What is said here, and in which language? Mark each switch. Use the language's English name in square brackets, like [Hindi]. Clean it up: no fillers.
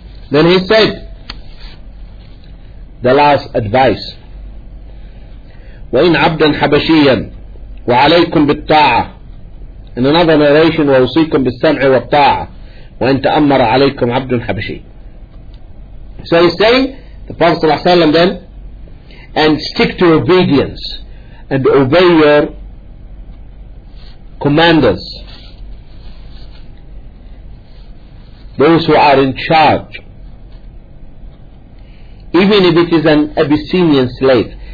[English] Then he said the last advice, [Arabic] وَإِنْ عَبْدًا حَبَشِيًّا وَعَلَيْكُمْ بِالطَّاعَةِ. [English] In another narration, [Arabic] وَوْصِيكُمْ بِالسَّمْعِ وَالطَّاعَةِ وَإِنْ تَأَمَّرَ عَلَيْكُمْ عَبْدٌ حَبَشِيًّا. [English] So he's saying, the Prophet ﷺ then, and stick to obedience and obey your commanders, those who are in charge, even if it is an Abyssinian slave.